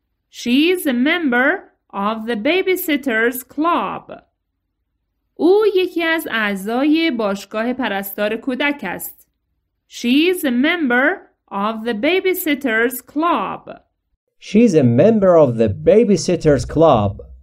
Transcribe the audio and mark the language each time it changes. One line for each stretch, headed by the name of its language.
English: She is a member of the babysitter's club.
Persian: او یکی از اعضای باشگاه پرستار کودک است.
English: She is a member of the babysitter's club. She is a member of the babysitter's club.